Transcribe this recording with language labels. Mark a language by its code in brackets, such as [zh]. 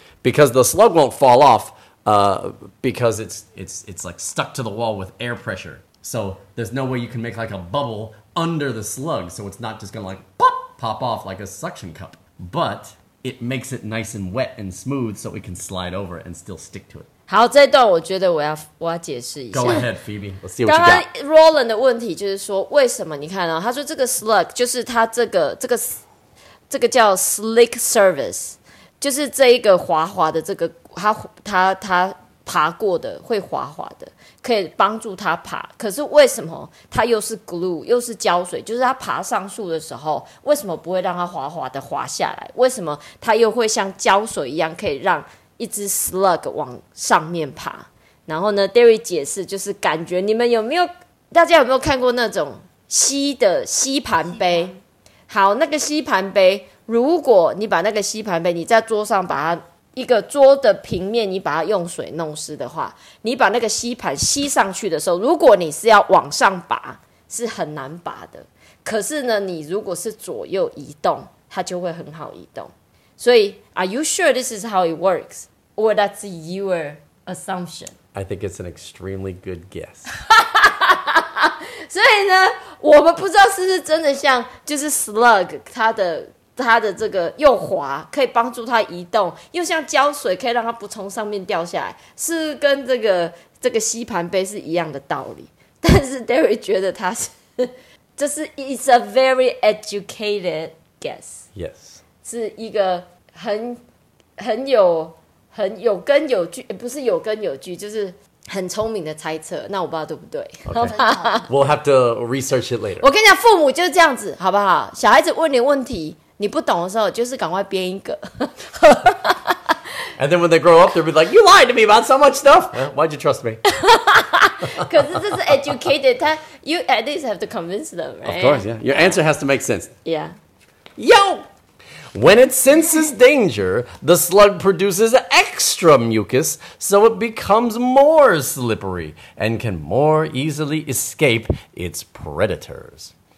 [en] Because the slug won't fall off because it's like stuck to the wall with air pressure. So there's no way you can make like a bubble under the slug. So it's not just going to like pop off like a suction cup. But it makes it nice and wet and smooth so we can slide over it and still stick to it. [zh] 好，这段我觉得我要解释一下。 [en] Go ahead, Phoebe. Let's see what you [zh] got. 刚刚 Roland 的问题就是说，为什么你看啊，他说这个 slug 就是他这个叫 slick surface， 就是这一个滑滑的这个他爬过的会滑滑的，可以帮助他爬。可是为什么他又是 glue 又是胶水？就是他爬上树的时候，为什么不会让他滑滑的滑下来？为什么他又会像胶水一样，可以让一只 slug 往上面爬？然后呢 ，Derry 解释就是感觉你们有没有，大家有没有看过那种吸盘杯？好，那个吸盘杯，如果你把那个吸盘杯，你在桌上把它，一个桌的平面你把它用水弄湿的话，你把那个吸盘吸上去的时候，如果你是要往上拔是很难拔的，可是呢你如果是左右移动它就会很好移动。 [en] 所以 Are you sure this is how it works? Or that's your assumption? I think it's an extremely good guess. [zh] 所以呢我们不知道是不是真的像就是 slug 它的这个又滑可以帮助它移动，又像胶水可以让它不从上面掉下来，是跟这个吸盘杯是一样的道理。但是 Derry 觉得它是这是 [en] It's a very educated guess. Yes. [zh] 是一个很有根有据，不是有根有据，就是很聪明的猜测，那我不知道对不对。 [en] Okay. We'll have to research it later. [zh] 我跟你讲，父母就是这样子，好不好？小孩子问你问题，你不懂的时候就是赶快编一个。 [en] And then when they grow up, they'll be like, you lied to me about so much stuff. Why'd you trust me? [zh] 可是这是 educated. [en] You at least have to convince them, right? Of course, yeah. Your answer has to make sense. Yeah. Yo! When it senses danger, the slug produces extra mucus, so it becomes more slippery and can more easily escape its predators.